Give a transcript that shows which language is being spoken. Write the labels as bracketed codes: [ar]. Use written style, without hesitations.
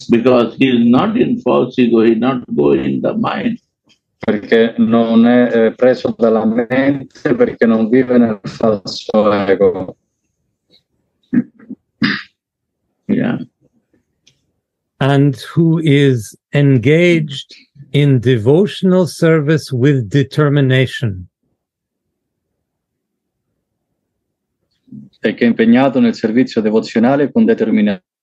[en] Because he's not in false ego, he's not going in the mind. [it] Perché non è preso dalla mente, perché non vive nel falso ego. [en] Yeah. And who is engaged in devotional service with determination. [it] E che è impegnato nel servizio devozionale con determinazione.